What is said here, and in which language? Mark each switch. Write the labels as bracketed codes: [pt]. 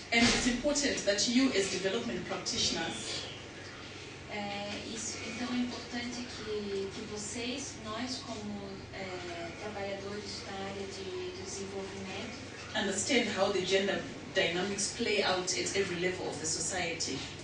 [en] And it's important that you as development practitioners [pt] Então é importante que vocês, nós como trabalhadores da área de desenvolvimento, [en] understand how the gender dynamics play out at every level of the society.